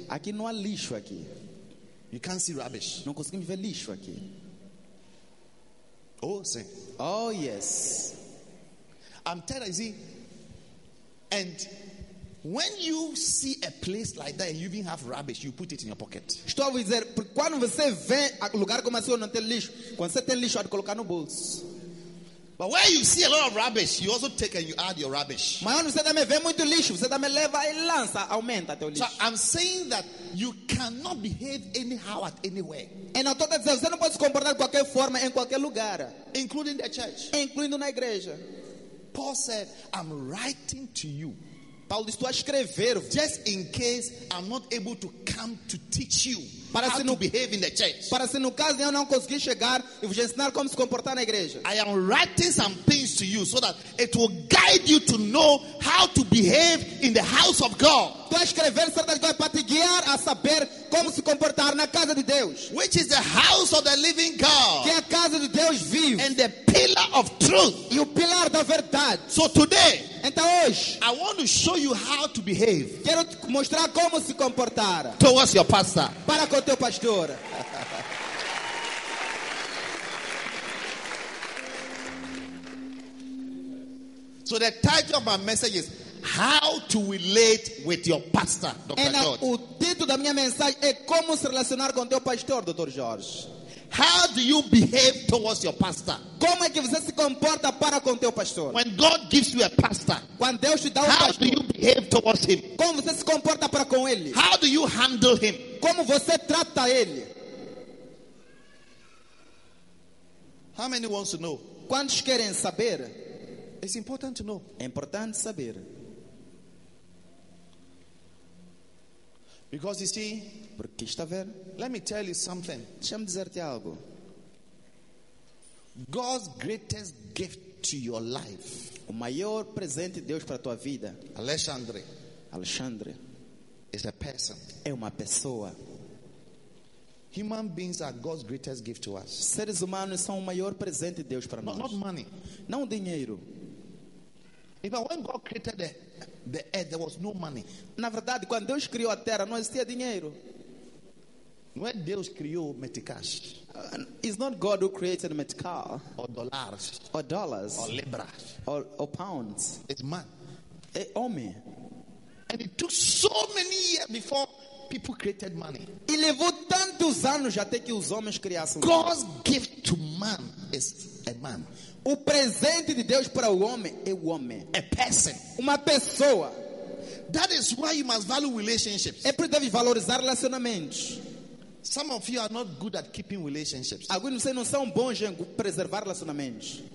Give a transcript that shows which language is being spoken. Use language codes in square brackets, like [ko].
[pt] Aqui não há lixo aqui. [en] You can't see rubbish. [pt] Não conseguimos ver lixo aqui. Oh, sim. [en] Oh, yes. I'm telling you, see, and when you see a place like that and you even have rubbish, you put it in your pocket. [pt] Estou a dizer, porque quando você vê a lugar como assim, não tem lixo, quando você tem lixo, pode colocar no bolso. [en] But where you see a lot of rubbish, you also take and you add your rubbish. [pt] Mas onde você também vê muito lixo, você também leva e lança, aumenta teu lixo. [en] So I'm saying that you cannot behave anyhow at anywhere. [pt] E não estou a dizer, você não pode se comportar de qualquer forma em qualquer lugar, [en] including the church. [pt] Incluindo na igreja. [en] Paul said, I'm writing to you. [pt] Paulo, estou a escrever-vos. [en] Just in case I'm not able to come to teach you para how to behave in the church. [pt] Para se no caso eu não conseguir chegar e vos ensinar como se comportar na igreja. [en] I am writing some things to you so that it will guide you to know how to behave in the house of God. [pt] Estou a escrever certas coisas para te guiar a saber como se comportar na casa de Deus. [en] Which is the house of the living God. [pt] Que é a casa de Deus vivo. [en] And the pillar of truth. [pt] E o pilar da verdade. [en] So today, [pt] então hoje, [en] I want to show you how to behave. [pt] Quero te mostrar como se comportar. [en] Towards your pastor. [pt] Para com o teu pastor. [en] So the title of my message is how to relate with your pastor, Dr. George. [pt] O título da minha mensagem é como se relacionar com teu pastor, Dr. George. [en] How do you behave towards your pastor? [pt] Como é que você se comporta para com teu pastor? [en] When God gives you a pastor, [pt] quando Deus te dá um [en] how [pt] pastor, [en] do you behave towards him? [pt] Como você se comporta para com ele? [en] How do you handle him? [pt] Como você trata ele? [en] How many wants to know? [pt] Quantos querem saber? [en] It's important to know. [pt] É importante saber. [en] Because you see, [pt] porque está a ver? [en] Let me tell you something. [pt] Deixa-me dizer-te algo. [en] God's greatest gift to your life. [pt] O maior presente de Deus para a tua vida. Alexandre. Alexandre. [en] Is a person. [pt] É uma pessoa. [en] Human beings are God's greatest gift to us. [pt] Seres humanos são o maior presente de Deus para nós. [en] Not money. [pt] Não dinheiro. [en] Even when God created the earth, there was no money. [pt] Na verdade, quando Deus criou a terra, não existia dinheiro. When Deus criou meticash, [en] it's not God who created metical. Or dollars. Or dollars. Or libras. Or pounds. It's man. [pt] É homem. [en] And it took so many years before people created money. [pt] E levou tantos anos até que os homens criassem. [en] God's gift to man is a man. [pt] O presente de Deus para o homem é o homem. [en] A person. [pt] Uma pessoa. [en] That is why you must value relationships. [pt] É por isso que deve valorizar relacionamentos. [en] Some of you are not good at keeping relationships. [pt] Alguns de vocês não são bons em preservar relacionamentos.